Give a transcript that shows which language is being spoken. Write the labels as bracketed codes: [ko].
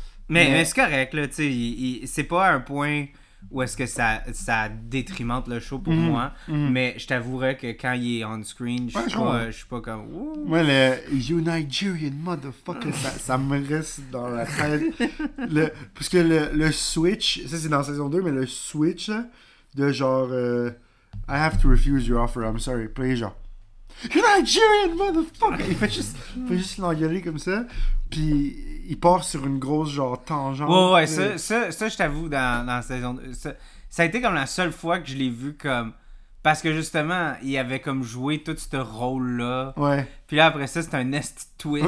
[fr] Mais c'est correct, là, tu sais, c'est pas un point où est-ce que ça détrimente le show pour moi, mais je t'avouerais que quand il est [en] on screen, [fr] je suis pas comme. Ouh. Ouais, le [en] You Nigerian motherfucker, [fr] ça me reste dans la tête. Parce que le switch, ça c'est dans saison 2, mais le switch, là. De genre, [en] I have to refuse your offer, I'm sorry. [fr] Puis genre, [en] you're Nigerian, motherfucker! [fr] Il fait juste l'engueuler comme ça. Puis il part sur une grosse, genre, tangente. Ouais, ça, je t'avoue, dans la saison 2. Ça a été comme la seule fois que je l'ai vu comme. Parce que justement, il avait comme joué tout ce rôle-là. Ouais. Puis là, après ça, c'était un nest twist.